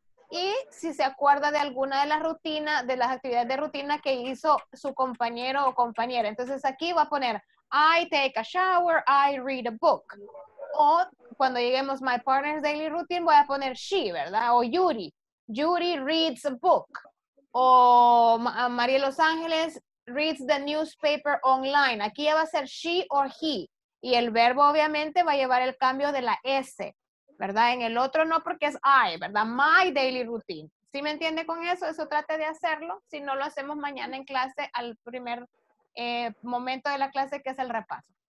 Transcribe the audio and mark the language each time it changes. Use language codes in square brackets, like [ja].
[es] Y si se acuerda de alguna de las rutinas, de las actividades de rutina que hizo su compañero o compañera. Entonces aquí va a poner, I take a shower, I read a book. O cuando lleguemos My Partner's Daily Routine, voy a poner she, ¿verdad? [en] O Yuri. Yuri reads a book. O María Los Ángeles reads the newspaper online. [es] Aquí ya va a ser she or he. Y el verbo obviamente va a llevar el cambio de la S, ¿verdad? En el otro no porque es I, ¿verdad? My daily routine. ¿Sí me entiende con eso? Eso trate de hacerlo. Si no, lo hacemos mañana en clase al primer momento de la clase que es el repaso.